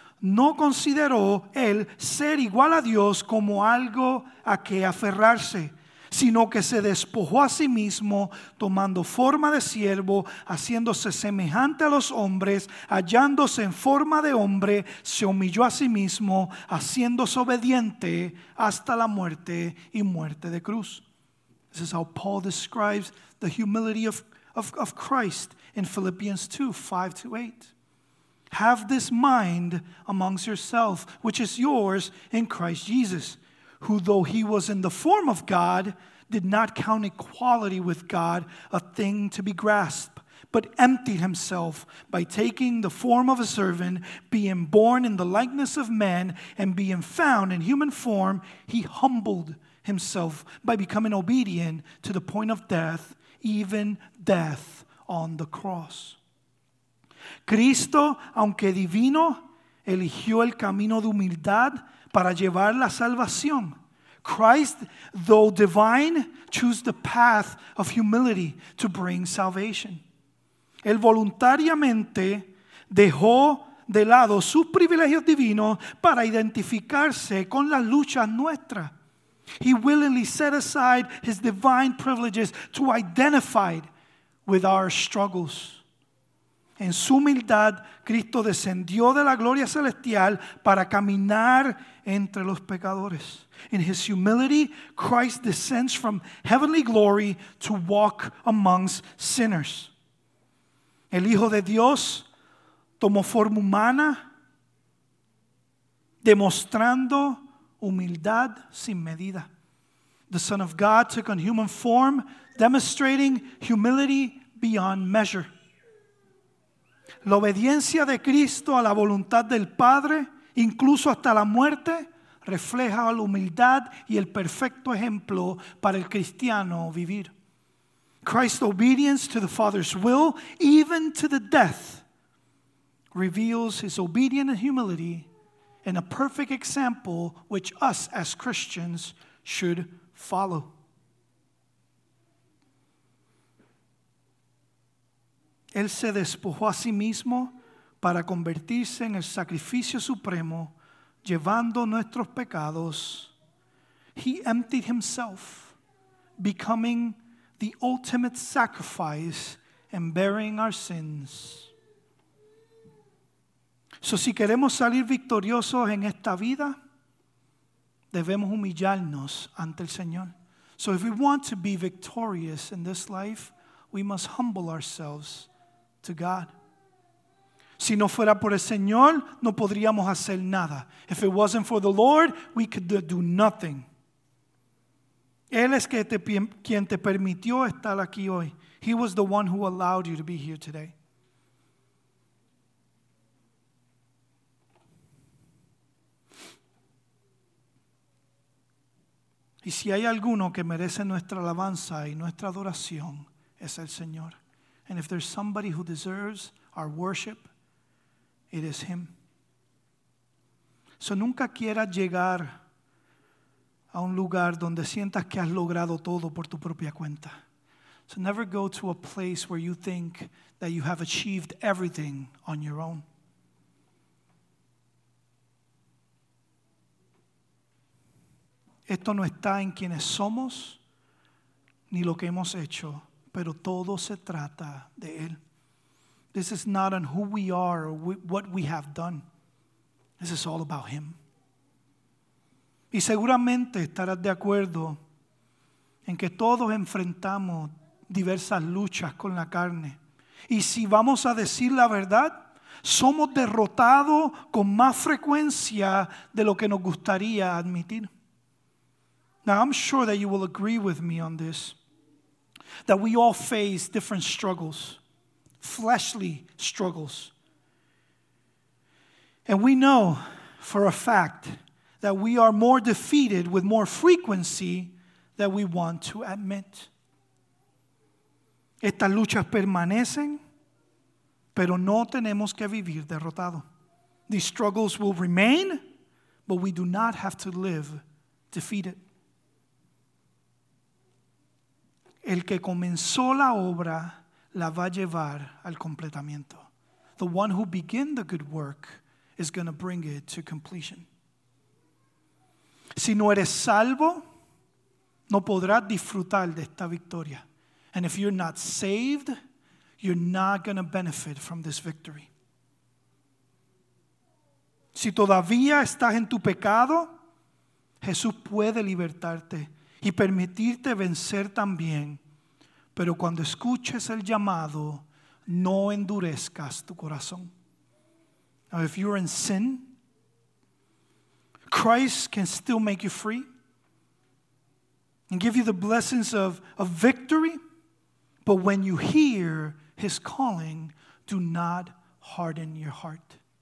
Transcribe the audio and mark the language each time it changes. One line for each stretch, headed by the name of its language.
Spanish: no consideró el ser igual a Dios como algo a que aferrarse, sino que se despojó a sí mismo, tomando forma de siervo, haciéndose semejante a los hombres, hallándose en forma de hombre, se humilló a sí mismo, haciéndose obediente hasta la muerte y muerte de cruz.
English: This is how Paul describes the humility of Christ in Philippians 2, 5 to 8. Have this mind amongst yourself, which is yours in Christ Jesus, who though He was in the form of God, did not count equality with God a thing to be grasped, but emptied Himself by taking the form of a servant, being born in the likeness of men, and being found in human form, He humbled Himself by becoming obedient to the point of death, even death on the cross.
Spanish: Cristo, aunque divino, eligió el camino de humildad para llevar la salvación.
English: Christ, though divine, chose the path of humility to bring salvation.
Spanish: Él voluntariamente dejó de lado sus privilegios divinos para identificarse con la lucha nuestra.
English: He willingly set aside His divine privileges to identify with our struggles.
Spanish: En su humildad, Cristo descendió de la gloria celestial para caminar entre los pecadores.
English: In His humility, Christ descends from heavenly glory to walk amongst sinners.
Spanish: El Hijo de Dios tomó forma humana, demostrando humildad sin medida.
English: The Son of God took on human form, demonstrating humility beyond measure.
Spanish: La obediencia de Cristo a la voluntad del Padre, incluso hasta la muerte, refleja la humildad y el perfecto ejemplo para el cristiano vivir.
English: Christ's obedience to the Father's will, even to the death, reveals His obedience and humility and a perfect example which us as Christians should follow.
Spanish: Él se despojó a sí mismo para convertirse en el sacrificio supremo, llevando nuestros pecados.
English: He emptied Himself, becoming the ultimate sacrifice and bearing our sins. So,
Spanish: si queremos salir victoriosos en esta vida, debemos humillarnos ante el Señor.
English: So, if we want to be victorious in this life, we must humble ourselves to God.
Spanish: Si no fuera por el Señor, no podríamos hacer nada.
English: If it wasn't for the Lord, we could do nothing.
Spanish: Él es quien te permitió estar aquí hoy.
English: He was the one who allowed you to be here today.
Spanish: Y si hay alguno que merece nuestra alabanza y nuestra adoración, es el Señor.
English: And if there's somebody who deserves our worship, it is Him. So
Spanish: nunca quieras llegar a un lugar donde sientas que has logrado todo por tu propia cuenta.
English: So never go to a place where you think that you have achieved everything on your own.
Spanish: Esto no está en quienes somos ni lo que hemos hecho, pero todo se trata de Él.
English: This is not on who we are or what we have done. This is all about Him.
Spanish: Y seguramente estarás de acuerdo en que todos enfrentamos diversas luchas con la carne. Y si vamos a decir la verdad, somos derrotados con más frecuencia de lo que nos gustaría admitir.
English: Now, I'm sure that you will agree with me on this, that we all face different struggles, fleshly struggles. And we know for a fact that we are more defeated with more frequency than we want to admit.
Spanish: Estas luchas permanecen, pero no tenemos que vivir derrotado.
English: These struggles will remain, but we do not have to live defeated.
Spanish: El que comenzó la obra la va a llevar al completamiento.
English: The one who began the good work is going to bring it to completion.
Spanish: Si no eres salvo, no podrás disfrutar de esta victoria.
English: And if you're not saved, you're not going to benefit from this victory.
Spanish: Si todavía estás en tu pecado, Jesús puede libertarte y permitirte vencer también. Pero cuando escuches el llamado, no endurezcas tu corazón.
English: Now, if you're in sin, Christ can still make you free and give you the blessings of victory. But when you hear His calling, do not harden your heart.